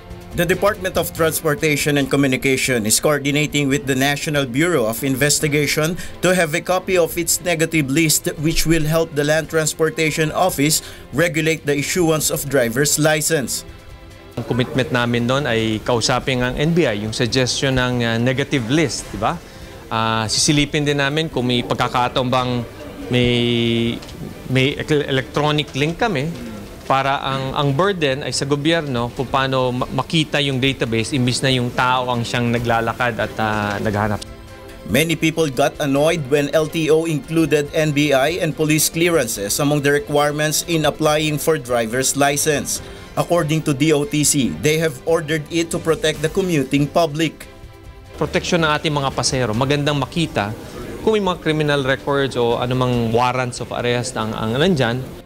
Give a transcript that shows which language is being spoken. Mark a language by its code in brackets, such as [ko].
[en] The Department of Transportation and Communication is coordinating with the National Bureau of Investigation to have a copy of its negative list, which will help the Land Transportation Office regulate the issuance of driver's license. [tl] Ang commitment namin noon ay kausapin ang NBI, yung suggestion ng negative list, di ba? Sisilipin din namin kung may pagkakataon bang may electronic link kami, para ang burden ay sa gobyerno kung paano makita yung database imbis na yung tao ang siyang naglalakad at naghahanap. [en] Many people got annoyed when LTO included NBI and police clearances among the requirements in applying for driver's license. According to DOTC, they have ordered it to protect the commuting public. [tl] Protection ng ating mga pasahero, magandang makita kung may mga criminal records o anumang warrants of arrest ang nandyan.